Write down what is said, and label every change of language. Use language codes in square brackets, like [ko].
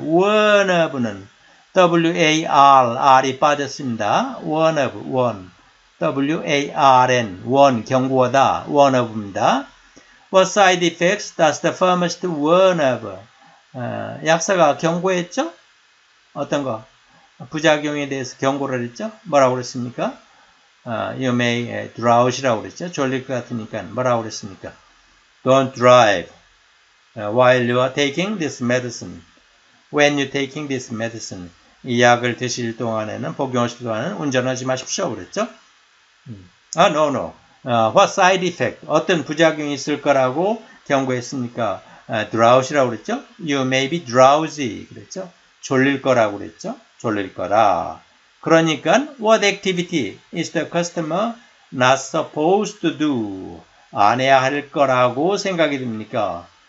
[ko] Warn of는 W-A-R-R이 빠졌습니다. [en] Warn of, warn. W-A-R-N, warn, 경고하다. [ko] Warn of입니다. [en] What side effects does the pharmacist warn of? [ko] 약사가 경고했죠? 어떤 거? 부작용에 대해서 경고를 했죠? 뭐라고 그랬습니까? [en] You may drowse [ko] 라고 그랬죠. 졸릴 것 같으니까 뭐라고 그랬습니까? [en] Don't drive while you are taking this medicine. When you're taking this medicine, [ko] 이 약을 드실 동안에는 복용하실 동안은 운전하지 마십시오. 그랬죠. [en] No, no. What side effect? [ko] 어떤 부작용이 있을 거라고 경고했습니까? Drowse라고 그랬죠. [en] You may be drowsy. [ko] 그랬죠. 졸릴 거라고 그랬죠. 졸릴 거라. 그러니까 [en] what activity is the customer not supposed to do? [ko] 안 해야 할 거라고 생각이 듭니까?